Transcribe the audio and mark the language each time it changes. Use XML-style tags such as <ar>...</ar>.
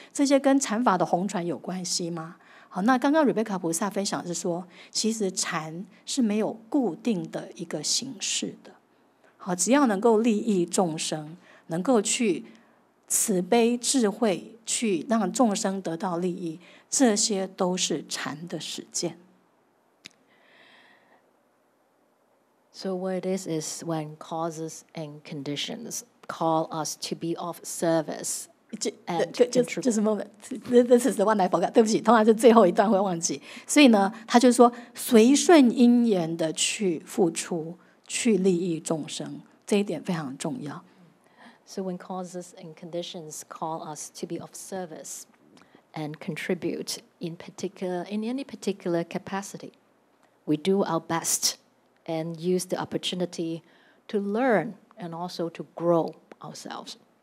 <zh>这些跟禅法的弘传有关系吗？好，那刚刚瑞贝卡菩萨分享是说，其实禅是没有固定的一个形式的。好，只要能够利益众生，能够去慈悲智慧去让众生得到利益，这些都是禅的实践。</zh> <en>So what it is when causes and conditions call us to be of service. Just a moment. This is the one I forgot.</en> <zh>对不起，通常是最后一段会忘记。所以呢，他就说随顺因缘的去付出，去利益众生，这一点非常重要。</zh> <en>So when causes and conditions call us to be of service and contribute in particular in any particular capacity, we do our best. And use the opportunity to learn and also to grow ourselves.</en>